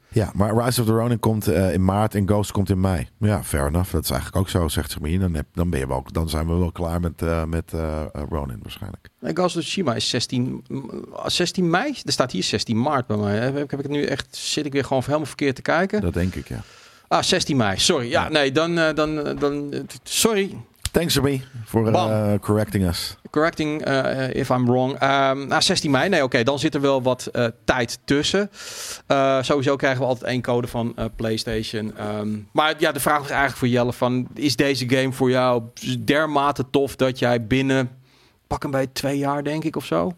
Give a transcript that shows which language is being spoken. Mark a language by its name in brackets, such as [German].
[Dutch] Ja, maar Rise of the Ronin komt in maart en Ghost komt in mei. Ja, [English] fair enough. [Dutch] Dat is eigenlijk ook zo, zegt Jamie. Dan zijn we wel klaar met Ronin waarschijnlijk. Nee, Ghost of Tsushima is 16 mei? Er staat hier 16 maart bij mij. Heb ik het nu echt, zit ik weer gewoon helemaal verkeerd te kijken? Dat denk ik, ja. Ah, 16 mei. Sorry. Ja, ja. Nee, dan sorry. [English] Thanks to me for correcting us. Correcting if I'm wrong. [Dutch] 16 mei, nee, oké, dan zit er wel wat tijd tussen. Sowieso krijgen we altijd 1 code van PlayStation. Maar ja, de vraag is eigenlijk voor Jelle van, is deze game voor jou dermate tof dat jij binnen, pak hem bij 2 jaar denk ik of zo?